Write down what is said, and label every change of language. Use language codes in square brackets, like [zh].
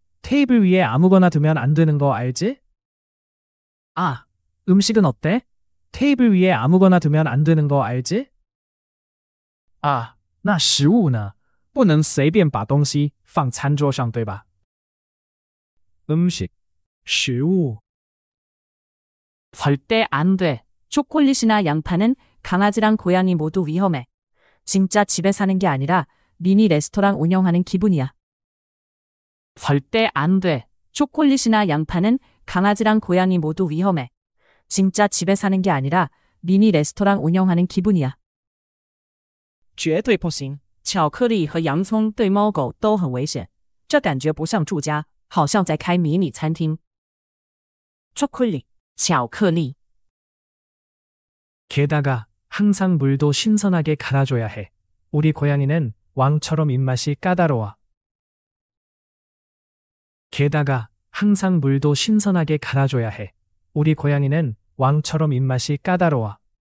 [ko] 테이블 위에 아무거나 두면 안 되는 거 알지? 아, 음식은 어때? 테이블 위에 아무거나 두면 안 되는 거 알지? 아, 나 식物呢? [zh] 不能随便把东西放餐桌上,对吧? [ko] 음식, 食物. 절대 안 돼. 초콜릿이나 양파는 강아지랑 고양이 모두 위험해. 진짜 집에 사는 게 아니라 미니 레스토랑 운영하는 기분이야. 절대 안 돼. 초콜릿이나 양파는 강아지랑 고양이 모두 위험해. 진짜 집에 사는 게 아니라 미니 레스토랑 운영하는 기분이야. [zh] 绝对不行.巧克力和洋葱对猫狗都很危险. 这感觉不像住家,好像在开迷你餐厅. [ko] 초콜릿,巧克力. 게다가 항상 물도 신선하게 갈아줘야 해. 우리 고양이는 왕처럼 입맛이 까다로워. 게다가 항상 물도 신선하게 갈아줘야 해. 우리 고양이는 왕처럼 입맛이 까다로워.